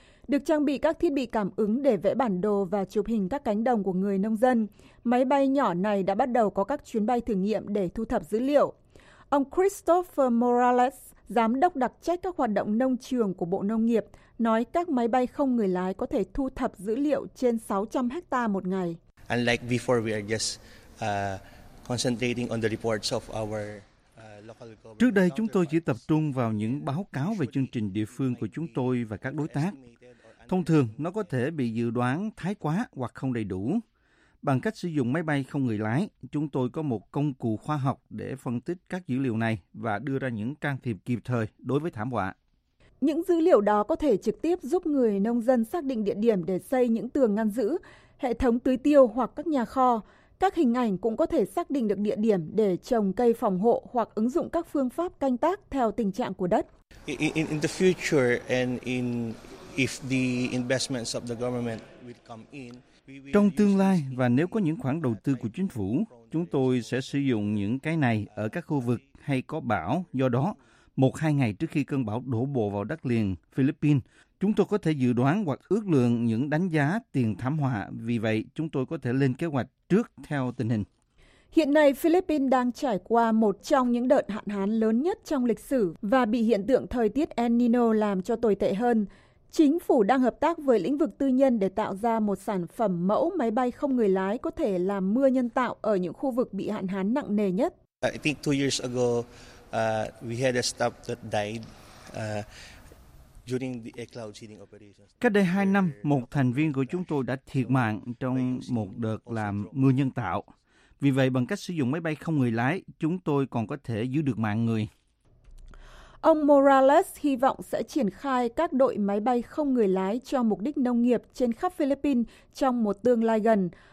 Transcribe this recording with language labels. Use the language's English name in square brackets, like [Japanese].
[Vietnamese] Được trang bị các thiết bị cảm ứng để vẽ bản đồ và chụp hình các cánh đồng của người nông dân, máy bay nhỏ này đã bắt đầu có các chuyến bay thử nghiệm để thu thập dữ liệu. Ông Christopher Morales, giám đốc đặc trách các hoạt động nông trường của Bộ Nông nghiệp, nói các máy bay không người lái có thể thu thập dữ liệu trên 600 hecta một ngày. [English] Unlike before, we are just concentrating on the reports of our local government. [Vietnamese] Trước đây chúng tôi chỉ tập trung vào những báo cáo về chương trình địa phương của chúng tôi và các đối tác. Thông thường nó có thể bị dự đoán thái quá hoặc không đầy đủ. Bằng cách sử dụng máy bay không người lái, chúng tôi có một công cụ khoa học để phân tích các dữ liệu này và đưa ra những can thiệp kịp thời đối với thảm họa. Những dữ liệu đó có thể trực tiếp giúp người nông dân xác định địa điểm để xây những tường ngăn giữ, hệ thống tưới tiêu hoặc các nhà kho. Các hình ảnh cũng có thể xác định được địa điểm để trồng cây phòng hộ hoặc ứng dụng các phương pháp canh tác theo tình trạng của đất. [English] In the future and in if the investments of the government will come in, [Vietnamese] trong tương lai và nếu có những khoản đầu tư của chính phủ, chúng tôi sẽ sử dụng những cái này ở các khu vực hay có bão. Do đó, một hai ngày trước khi cơn bão đổ bộ vào đất liền Philippines, chúng tôi có thể dự đoán hoặc ước lượng những đánh giá tiền thảm họa. Vì vậy, chúng tôi có thể lên kế hoạch trước theo tình hình. Hiện nay, Philippines đang trải qua một trong những đợt hạn hán lớn nhất trong lịch sử và bị hiện tượng thời tiết El Nino làm cho tồi tệ hơn. Chính phủ đang hợp tác với lĩnh vực tư nhân để tạo ra một sản phẩm mẫu máy bay không người lái có thể làm mưa nhân tạo ở những khu vực bị hạn hán nặng nề nhất. [English] I think 2 years ago, we had a staff that died during the cloud seeding operations. [Vietnamese] Cách đây 2 năm, một thành viên của chúng tôi đã thiệt mạng trong một đợt làm mưa nhân tạo. Vì vậy, bằng cách sử dụng máy bay không người lái, chúng tôi còn có thể giữ được mạng người. Ông Morales hy vọng sẽ triển khai các đội máy bay không người lái cho mục đích nông nghiệp trên khắp Philippines trong một tương lai gần.